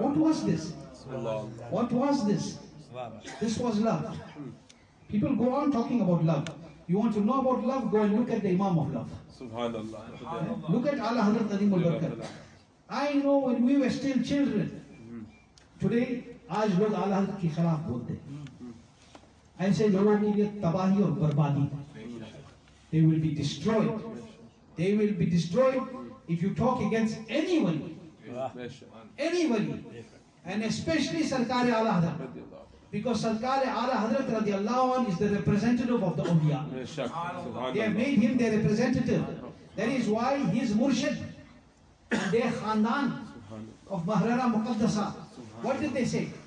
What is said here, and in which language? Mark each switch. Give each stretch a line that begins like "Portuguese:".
English: What was this? What was this? This was love. People go on talking about love. You want to know about love? Go and look at the Imam of love. Subhanallah. Look at Allah Hazrat Adim al-Barakat. I know when we were still children. Today,
Urdu: آج لوگ اعلی حضرت کے خلاف بولتے ہیں, ایسے لوگوں کے لیے تباہی اور بربادی.
English: They will be destroyed. They will be destroyed if you talk against anybody. Anybody. And especially Sarkare Ala Hazrat. Because Sarkare Ala Hazrat radiallahu anhu is the representative of the Awliya. They have made him their representative. That is why his murshid, their khandan of Mahrara Muqaddasa, what did they say?